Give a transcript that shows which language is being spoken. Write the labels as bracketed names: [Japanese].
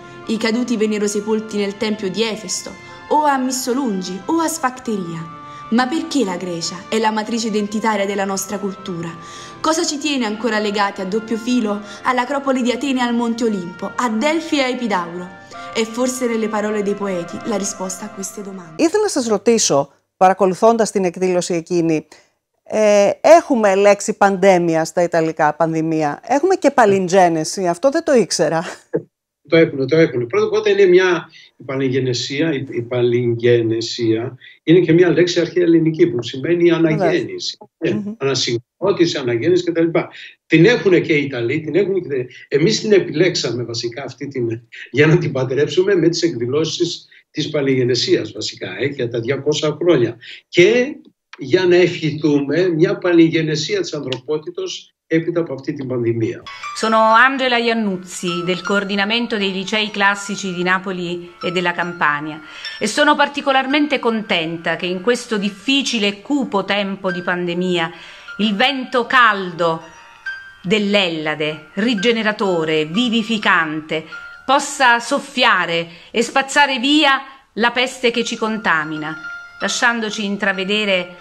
[Italian] I caduti vennero sepolti nel tempio di Efesto, o a Missolungi, o a Sfacteria. Ma perché la Grecia è la matrice identitaria della nostra cultura? Cosa ci tiene ancora legati a doppio filo all'acropoli di Atene e al Monte Olimpo, a Delfi e a Epidauro? E forse nelle parole dei poeti la risposta a queste domande. [Greek] Ήθελα να σας ρωτήσω, παρακολουθώντας την εκδήλωση εκείνη, έχουμε λέξη πανδέμια στα ιταλικά, πανδημία. Έχουμε και παλιγγένεση, αυτό δεν το ήξερα. Το έχουν. Πρώτα απ' όλα είναι μια παλιγγένεσία, είναι και μια λέξη αρχαία ελληνική που σημαίνει αναγέννηση. Ανασυγκρότηση, αναγέννηση κτλ. Την έχουν και οι Ιταλοί, την έχουν και. Εμείς την επιλέξαμε βασικά αυτή την, για να την παντρέψουμε με τις εκδηλώσεις της παλιγενεσίας βασικά, για τα 200 χρόνια. Και για να ευχηθούμε μια παλιγενεσία της ανθρωπότητος έπειτα από αυτή την πανδημία. [Italian] Sono Angela Iannuzzi del coordinamento dei licei classici di Napoli e della Campania e sono particolarmente contenta che in questo difficile e cupo tempo di pandemia il vento caldo dell'Ellade, rigeneratore, vivificante, possa soffiare e spazzare via la peste che ci contamina, lasciandoci intravedere